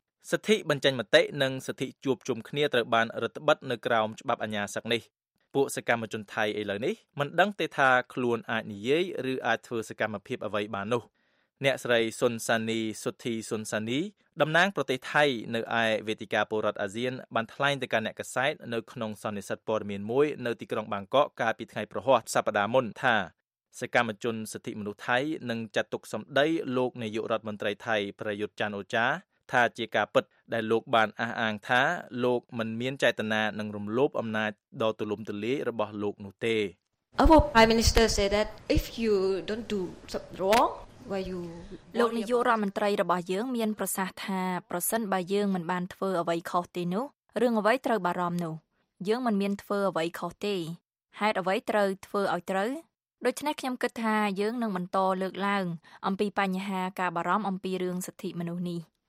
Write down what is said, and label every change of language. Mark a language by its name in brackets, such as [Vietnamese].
[Khmer] សិទ្ធិបញ្ចេញមតិនិងសិទ្ធិជួបជុំគ្នាត្រូវបានរឹតបន្តឹងនៅក្រោមច្បាប់អាជ្ញាសឹកនេះពួកសកម្មជនថៃឥឡូវនេះមិនដឹងទេថាខ្លួនអាចនិយាយឬអាចធ្វើសកម្មភាពអ្វីបាននោះអ្នកស្រីស៊ុនសានីសុធីស៊ុនសានីតំណាងប្រទេសថៃនៅឯវេទិកាពលរដ្ឋអាស៊ានបានថ្លែងទៅកាន់អ្នកកាសែតនៅក្នុងសន្និសីទព័ត៌មានមួយនៅទីក្រុងបាងកកកាលពីថ្ងៃប្រហ័សសប្តាហ៍មុនថា សកម្មជនសិទ្ធិមនុស្សថៃនឹងចាត់ទុកសម្ដីលោកនាយករដ្ឋមន្ត្រីថៃប្រយុទ្ធចាន់អូចាថាជាការពិតដែលលោកបានអះអាងថាលោកមិនមានចេតនានឹងរំលោភអំណាចដ៏ទូលំទូលាយរបស់លោកនោះទេ [English] Our Prime Minister said that if you don't do something wrong why you [Khmer] លោកនាយករដ្ឋមន្ត្រីរបស់យើងមានប្រសាសន៍ថាប្រសិនបើយើងមិនបានធ្វើអ្វីខុសទេនោះរឿងអ្វីត្រូវបារម្ភនោះយើងមិនមានធ្វើអ្វីខុសទេហេតុអ្វីត្រូវធ្វើឲ្យត្រូវដូច្នេះខ្ញុំគិតថាយើងនឹងបន្តលើកឡើងអំពីបញ្ហាការបារម្ភអំពីរឿងសិទ្ធិមនុស្សនេះ